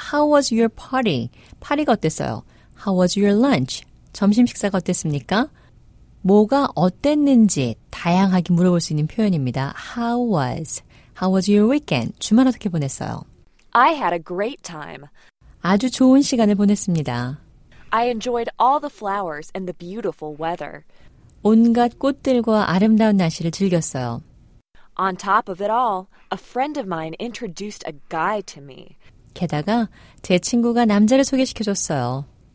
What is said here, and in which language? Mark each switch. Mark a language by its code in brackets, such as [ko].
[en] How was your party? [ko] 파티가 어땠어요? [en] How was your lunch? [ko] 점심 식사가 어땠습니까? 뭐가 어땠는지 다양하게 물어볼 수 있는 표현입니다. [en] How was? How was your weekend? [ko] 주말 어떻게 보냈어요? [en] I had a great time. [ko] 아주 좋은 시간을 보냈습니다. [en] I enjoyed all the flowers and the beautiful weather. [ko] 온갖 꽃들과 아름다운 날씨를 즐겼어요. [en] On top of it all, a friend of mine introduced a guy to me. [ko] 게다가 제 친구가 남자를 소개시켜줬어요.